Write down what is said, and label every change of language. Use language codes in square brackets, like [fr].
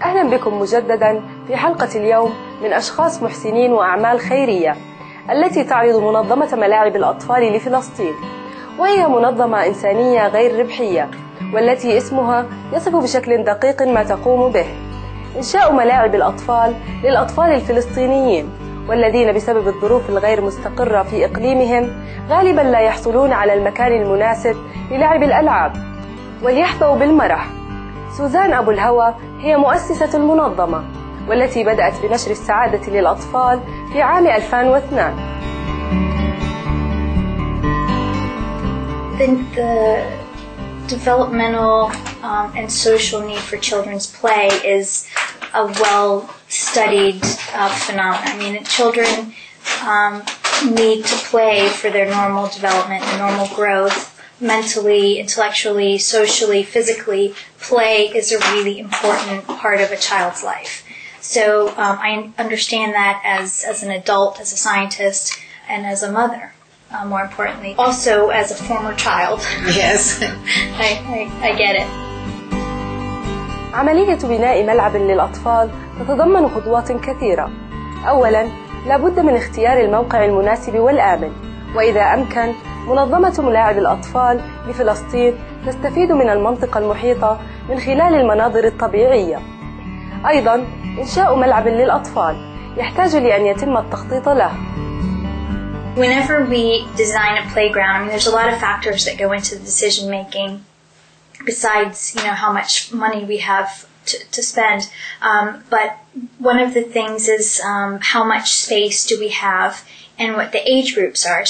[ar] بكم مجددا في حلقة اليوم من أشخاص محسنين وأعمال خيرية التي تعرض منظمة ملاعب الأطفال لفلسطين، وهي منظمة إنسانية غير ربحية والتي اسمها يصف بشكل دقيق ما تقوم به: إنشاء ملاعب الأطفال للأطفال الفلسطينيين والذين بسبب الظروف الغير مستقرة في إقليمهم غالبا لا يحصلون على المكان المناسب للعب الألعاب وليحظوا بالمرح. سوزان أبو الهوى هي مؤسسة المنظمة والتي بدأت بنشر السعادة للأطفال في عام 2002. [en] The developmental and social need for children's play is a well-studied phenomenon. I mean, children need to play for their normal development and normal growth. Mentally, intellectually, socially, physically, play is a really important part of a child's life. So I understand that as an adult, as a scientist, and as a mother, more importantly. Also, as a former child. Yes. I get it. [ar] عملية بناء ملعب للأطفال تتضمن خطوات كثيرة. أولاً، لابد من اختيار الموقع المناسب والآمن، وإذا أمكن، منظمة ملاعب الأطفال لفلسطين تستفيد من المنطقة المحيطة من خلال المناظر الطبيعية. أيضاً، إنشاء ملعب للأطفال يحتاج لأن يتم التخطيط له. [en] Whenever we design a playground, I mean, there's a lot of factors that go into the decision making, besides, you know, how much money we have to spend. But one of the things is how much space do we have, and what the age groups are.